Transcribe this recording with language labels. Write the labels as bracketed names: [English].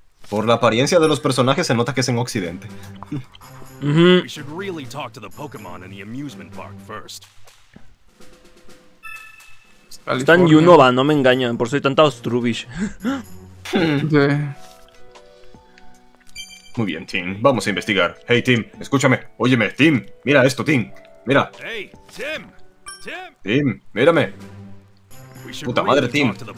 [Spanish] Por la apariencia de los personajes se nota que es en Occidente. [English] We should really talk to the Pokémon in the amusement park first. [Spanish] Está en Unova, no me engañan, por eso hay tanta Ostrubish. Sí. Muy bien, Tim, vamos a investigar. Hey, Tim, escúchame, óyeme, Tim, mira esto, Tim, mira. Hey, Tim, Tim. Tim, mírame. Puta madre, Tim.